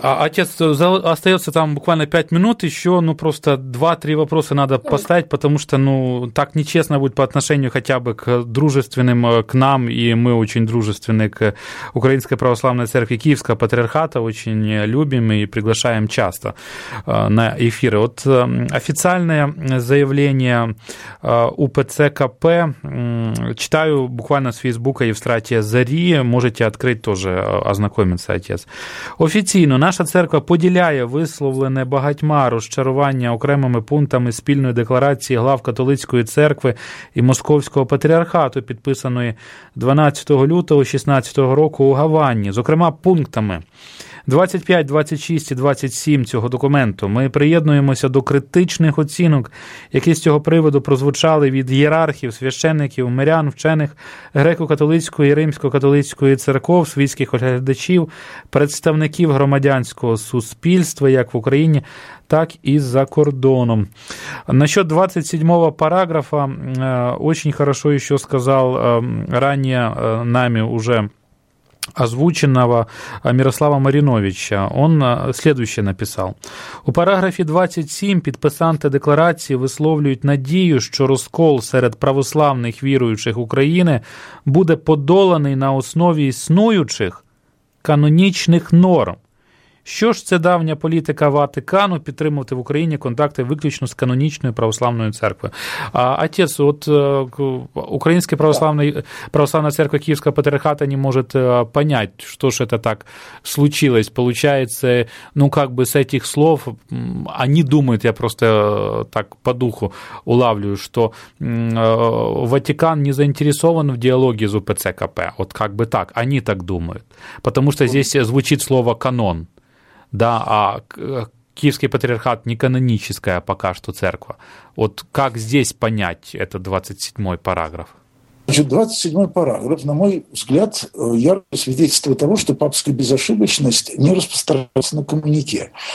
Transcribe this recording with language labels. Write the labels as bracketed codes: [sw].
[ru] А, отец, остается там буквально 5 минут еще, ну просто 2-3 вопроса надо поставить, потому что, ну, так нечестно будет по отношению хотя бы к дружественным, к нам, и мы очень дружественны к Украинской Православной Церкви Киевского Патриархата, очень любим и приглашаем часто на эфиры. Вот официальное заявление УПЦКП, читаю буквально с Фейсбука Евстратия Зарі, можете открыть тоже, ознакомиться, отец. [uk] Офіційно наша церква поділяє висловлене багатьма розчарування окремими пунктами спільної декларації глав католицької церкви і московського патріархату, підписаної 12 лютого 2016 року у Гавані, зокрема пунктами 25, 26 і 27 цього документу. Ми приєднуємося до критичних оцінок, які з цього приводу прозвучали від ієрархів, священників, мирян, вчених, греко-католицької і римсько-католицької церков, світських оглядачів, представників громадянського суспільства, як в Україні, так і за кордоном. [ru] Насчет 27-го параграфа, очень хорошо еще сказав ранее нами уже озвученного Мирослава Мариновича. Он следующее написал. [uk] У параграфі 27 підписанти декларації висловлюють надію, що розкол серед православних віруючих України буде подоланий на основі існуючих канонічних норм. Що ж це давня політика Ватикану підтримувати в Україні контакти виключно з канонічною православною церквою? А отець, от Українська православна церква Київського патріархата не може поняти, що ж це так случилось. Получається, ну, як би з цих слов, вони думають, я просто так по духу улавлюю, що Ватикан не заінтересован в діалогі з УПЦКП. От як би так, вони так думають. Тому що тут звучить слово «канон». [ru] Да, а Киевский патриархат не каноническая пока что церковь. Вот как здесь понять этот 27-й параграф? Значит, 27-й параграф, на мой взгляд, яркое свидетельство того, что папская безошибочность не распространяется на коммунике.